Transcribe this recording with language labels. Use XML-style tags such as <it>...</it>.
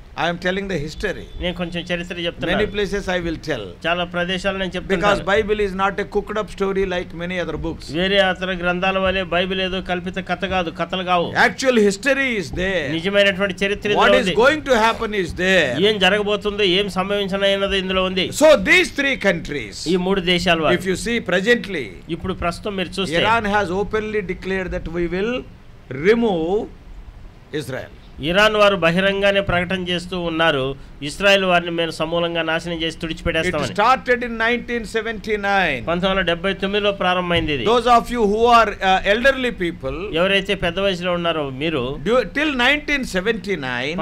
<en>I am telling the history.</en> <te>నేను కొంచెం చరిత్ర చెప్తున్నా.</te> <en>Many places I will tell.</en> <te>చాలా ప్రదేశాలు నేను చెప్తాను.</te> <en>Because Bible is not a cooked up story like many other books.</en> <te>వేరే అతర గ్రంథాల వలె బైబిల్ ఏదో కల్పిత కథ కాదు, కథలు కావు.</te> <en>Actual history is there.</en> <te>నిజమైనటువంటి చరిత్ర ఇందులో ఉంది.</te> <en>What is going to happen is there.</en> <te>ఏం జరగబోతుందో, ఏం సంభవించనయనదో ఇందులో ఉంది.</te> <en>So these three countries.</en> <te>ఈ మూడు దేశాలు.</te> <en>If you see presently.</en> <te>ఇప్పుడు ప్రస్తుతం మీరు చూస్తే</te> <en>Iran has openly declared that we will remove Israel.</en> <te>Iran వారు బహిరంగంగానే ప్రకటన చేస్తూ ఉన్నారు, ఇస్రాయెల్ వారిని మేము సమూలంగా నాశనం చేసి తుడిచిపెట్టేస్తామని.</te> <en>It started in 1979.</en> <te>1979 లో ప్రారంభమైంది ఇది.</te> <en>those of you who are elderly people,</en> <te>ఎవరైతే పెద్ద వయసులో ఉన్నారో మీరు,</te> <en>till 1979,</en>